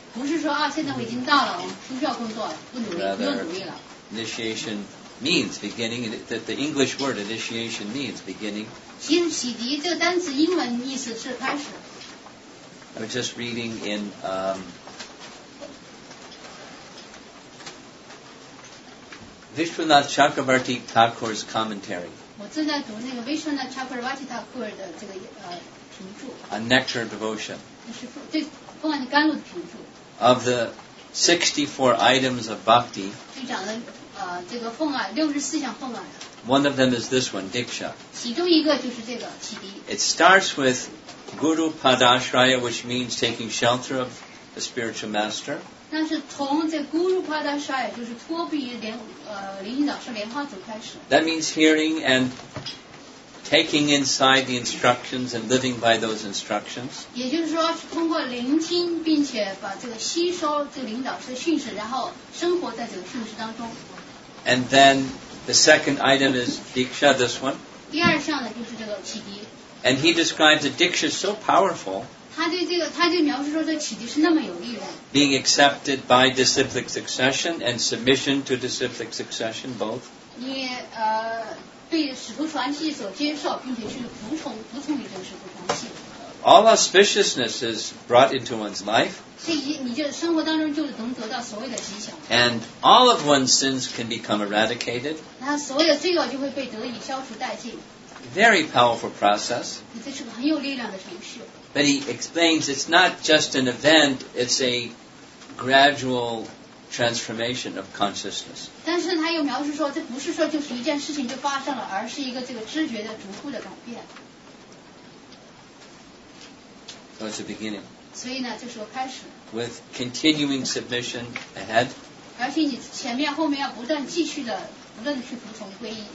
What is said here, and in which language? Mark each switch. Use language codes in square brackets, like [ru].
[zh] 不是说啊，现在我已经到了，我不需要工作，不努力，不用努力了。 [en] Initiation means beginning, that the English word initiation means beginning. [zh] 其实启迪这个单词英文意思是开始。 [en] I was just reading in Vishwanath Chakravarti Thakur's commentary. [zh] 我正在读那个 Vishwanath Chakravarti Thakur 的这个评注。 [en] A Nectar Devotion. [zh] 这是对《梵甘露》的评注。 [en] Of the 64 items of bhakti. [zh] 就讲了。这个奉啊，六十四项奉啊。 [en] One of them is this one, Diksha. [zh] 其中一个就是这个启迪。 [en] It starts with Guru Padashraya, which means taking shelter of the spiritual master. [zh] 那是从这 Guru Padashraya, 就是托庇于灵性导师莲花祖开始。 [en] That means hearing and taking inside the instructions and living by those instructions. [zh] 也就是说，是通过聆听，并且把这个吸收这个灵导师的训示，然后生活在这个训示当中。 [en] And then the second item is Diksha, this one. [zh] 第二项呢就是这个启迪。 [en] And he describes that Diksha is so powerful. [zh] 他对这个，他就描述说这启迪是那么有力量。 [en] Being accepted by disciplic succession and submission to disciplic succession, both. [zh] 你被使徒传系所接受，并且去服从于这个使徒传系。 [en] All auspiciousness is brought into one's life. [zh] 所以你就生活当中就能得到所谓的吉祥。 [en] And all of one's sins can become eradicated. [zh] 那所有的罪恶就会被得以消除殆尽。 [en] Very powerful process. [zh] 这是个很有力量的程序。 [en] But he explains it's not just an event; it's a gradual transformation of consciousness. [zh] 但是他又描述说，这不是说就是一件事情就发生了，而是一个这个知觉的逐步的改变。 [en] So it's the beginning. [zh] 所以呢，就是个开始。 [en] With continuing submission ahead. [zh] 而且你前面后面要不断继续的，不断的去服从皈依。